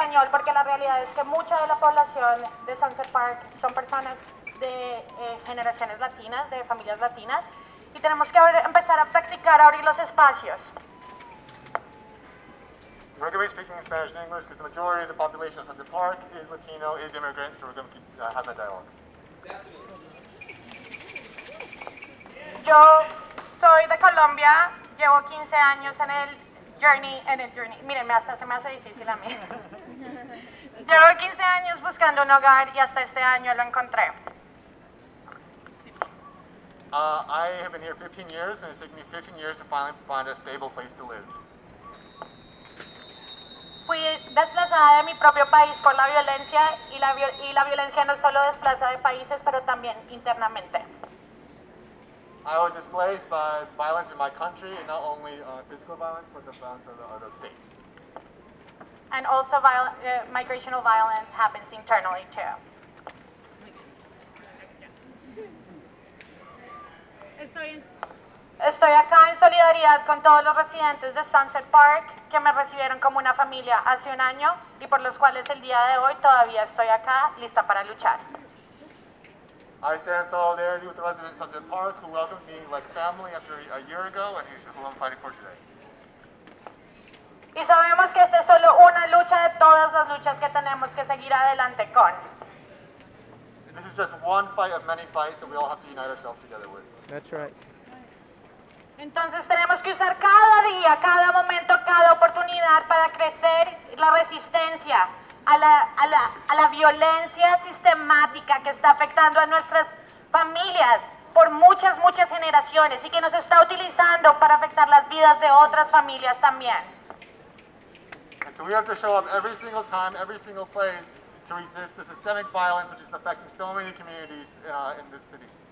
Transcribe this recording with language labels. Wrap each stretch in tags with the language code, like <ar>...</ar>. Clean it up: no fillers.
<es>Porque la realidad es que mucha de la población de Sunset Park son personas de generaciones latinas, de familias latinas, y tenemos que empezar a practicar a abrir los espacios.</es> <en>We're going to be speaking in Spanish and English because the majority of the population of Sunset Park is Latino, is immigrant, so we're going to keep, have that dialogue.</en> <es>Yo soy de Colombia, llevo 15 años en el journey, Miren, hasta se me hace difícil a mí. Llevo 15 años buscando un hogar y hasta este año lo encontré.</es> <en>I have been here 15 years and it's taken me 15 years to finally find a stable place to live.</en> <es>Fui desplazada de mi propio país por la violencia y la violencia no solo desplaza de países, pero también internamente.</es> <en>I was displaced by violence in my country, and not only physical violence, but the violence of the other state. And also migrational violence happens internally too.</en> <es>Estoy acá en solidaridad con todos los residentes de Sunset Park que me recibieron como una familia hace un año y por los cuales el día de hoy todavía estoy acá, lista para luchar.</es> <en>I stand in solidarity with the residents of Sunset Park who welcomed me like family after a year ago, and this is who I'm fighting for today.</en> <es>Y sabemos que esta es solo una lucha de todas las luchas que tenemos que seguir adelante con.</es> <en>This is just one fight of many fights that we all have to unite ourselves together with. That's right.</en> <es>Entonces tenemos que usar cada día, cada momento, cada oportunidad para crecer la resistencia a la violencia sistemática que está afectando a nuestras familias por muchas, muchas generaciones y que nos está utilizando para afectar las vidas de otras familias también.</es> <en>And so we have to show up every single time, every single place to resist the systemic violence which is affecting so many communities in this city.</en>